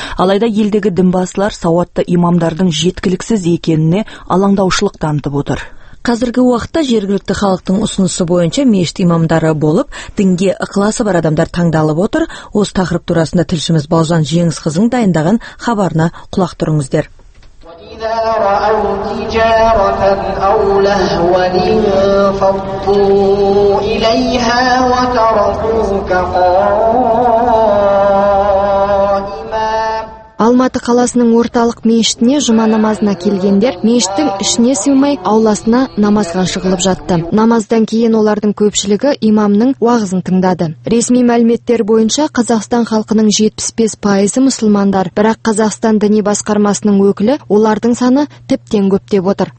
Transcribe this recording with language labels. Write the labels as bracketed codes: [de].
[kk] Алайда елдегі дінбасылар сауатты имамдардың жеткіліксіз екеніне алаңдаушылық танытып отыр. Қазіргі уақытта жергілікті халықтың ұсынысы бойынша мешіт имамдары болып, дінге ықыласы бар адамдар таңдалып отыр. Осы тақырып турасында тілшіміз Балжан Жеңіс қызың дайындаған хабарына құлақ тұрыңыздар. [ar] دار أو تجارة أو لهوا انفضوا إليها وتركوك قائما. [kk] Алматы қаласының орталық мешітіне жұма намазына келгендер мешіттің ішіне сыймай ауласына намазға шығылып жатты. Намаздан кейін олардың көпшілігі имамның уағызын тыңдады. Ресми мәліметтер бойынша Қазақстан халқының 75% мұсылмандар, бірақ Қазақстан діни басқармасының өкілі олардың саны тіптен көп деп отыр.